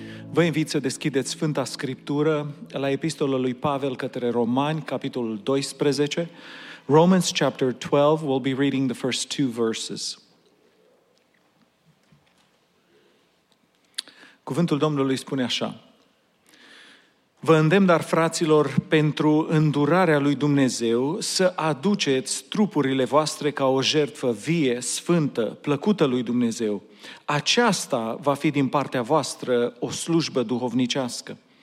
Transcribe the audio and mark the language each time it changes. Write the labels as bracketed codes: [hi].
[ro] Vă invit să deschideți Sfânta Scriptură la Epistola lui Pavel către Romani, capitolul 12. [en] Romans chapter 12, we'll be reading the first two verses. [ro] Cuvântul Domnului spune așa. Vă îndemn, dar, fraților, pentru îndurarea lui Dumnezeu să aduceți trupurile voastre ca o jertfă vie, sfântă, plăcută lui Dumnezeu. Aceasta va fi din partea voastră o slujbă duhovnicească.